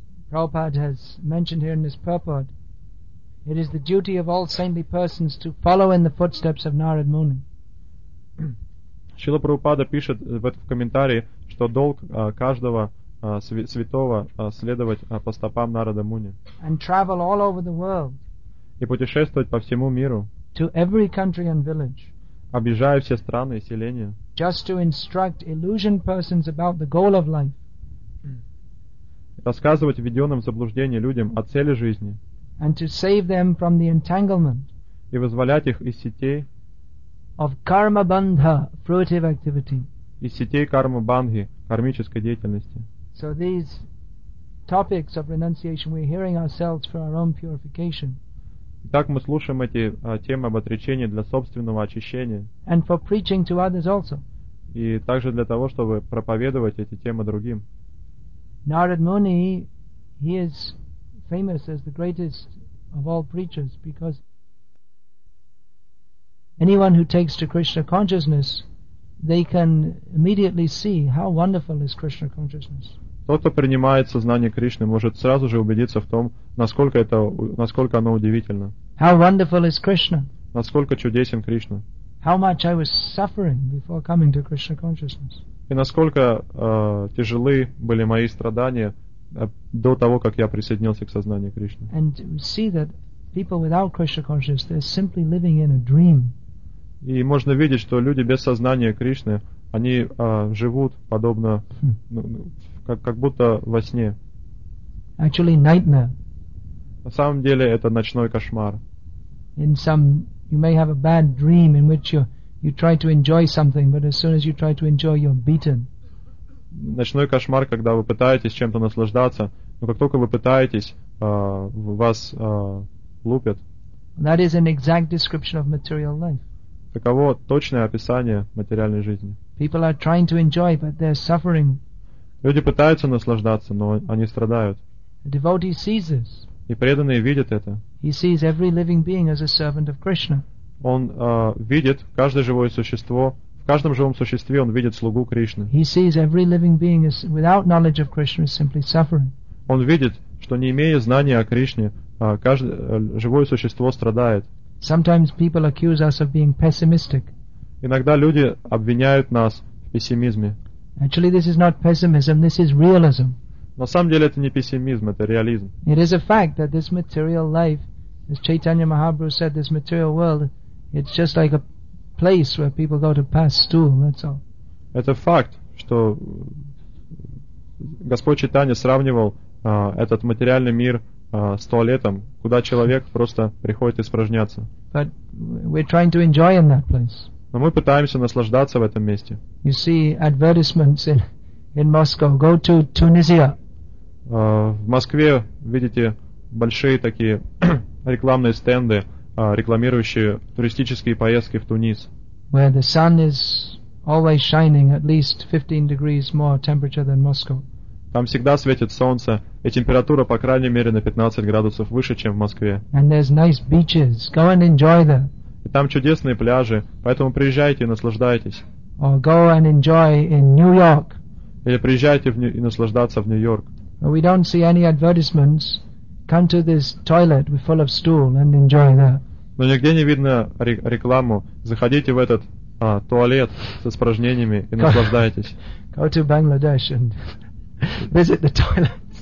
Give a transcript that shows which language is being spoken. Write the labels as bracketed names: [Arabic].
[English] Prabhupada has mentioned here in this purport, it is the duty of all saintly persons to follow in the footsteps of Narad Muni. [Russian] Шрила Прабхупада пишет в этом комментарии, что долг каждого святого следовать по стопам Нарада Муни. [English] And travel all over the world. [Russian] И путешествовать по всему миру. [English] To every country and village. [Russian] Объезжая все страны и селения. [English] Just to instruct illusioned persons about the goal of life. [Russian] Рассказывать введенным в заблуждение людям о цели жизни. [English] And to save them from the entanglement. [Russian] И вызволять их из сетей. [English] Of karma bandha, fruitive activity. [Russian] Из сетей кармы бандхи, кармической деятельности. [English] So these topics of renunciation we're hearing ourselves for our own purification. [Russian] Итак, мы слушаем эти темы об отречении для собственного очищения. [English] And for preaching to others also. [Russian] И также для того, чтобы проповедовать эти темы другим. [English] Narad Muni, he is famous as the greatest of all preachers because anyone who takes to Krishna consciousness, they can immediately see how wonderful is Krishna consciousness. [Russian] Тот, кто принимает сознание Кришны, может сразу же убедиться в том, насколько оно удивительно. [English] How wonderful is Krishna? [Russian] Насколько чудесен Кришна? [English] How much I was suffering before coming to Krishna consciousness? [Russian] И насколько тяжелы были мои страдания до того, как я присоединился к сознанию Кришны. [English] And we see that people without Krishna consciousness, they're simply living in a dream. [Russian] И можно видеть, что люди без сознания Кришны, они живут подобно, как будто во сне. [English] Actually, nightmare. [Russian] На самом деле это ночной кошмар. [English] In some, you may have a bad dream in which you try to enjoy something, but as soon as you try to enjoy, you're beaten. [Russian] Ночной кошмар, когда вы пытаетесь чем-то наслаждаться, но как только вы пытаетесь, вас лупят. [English] That is an exact description of material life. [Russian] Таково точное описание материальной жизни. [English] People are trying to enjoy, but they're suffering. [Russian] Люди пытаются наслаждаться, но они страдают. [English] A devotee sees this. [Russian] И преданные видят это. [English] He sees every living being as a servant of Krishna. [Russian] Он видит каждое живое существо, в каждом живом существе он видит слугу Кришны. [English] He sees every living being as without knowledge of Krishna is simply suffering. [Russian] Он видит, что не имея знания о Кришне, каждое живое существо страдает. [English] Sometimes people accuse us of being pessimistic. [Russian] Иногда люди обвиняют нас в пессимизме. [English] Actually, this is not pessimism, this is realism. [Russian] На самом деле это не пессимизм, это реализм. [English] It is a fact that this material life, as Chaitanya Mahaprabhu said, this material world, it's just like a place where people go to pass stool, that's all. [Russian] Это факт, что Господь Чайтанья сравнивал этот материальный мир с туалетом, куда человек просто приходит испражняться. [English] But we're trying to enjoy in that place. [Russian] Но мы пытаемся наслаждаться в этом месте. [English] You see advertisements in Moscow. Go to Tunisia. [Russian] В Москве видите большие такие рекламные стенды, рекламирующие туристические поездки в Тунис. [English] Where the sun is always shining at least 15 degrees more temperature than Moscow. [Russian] Там всегда светит солнце, и температура, по крайней мере, на 15 градусов выше, чем в Москве. [English] And there's nice beaches. Go and enjoy them. [Russian] И там чудесные пляжи, поэтому приезжайте и наслаждайтесь. [English] Or go and enjoy in New York. [Russian] Или приезжайте и наслаждаться в Нью-Йорк. [English] But we don't see any advertisements. Come to this toilet full of stool and enjoy that. [Russian] Но нигде не видно рекламу. Заходите в этот туалет с испражнениями и наслаждайтесь. [English] Go to Bangladesh and visit the toilets.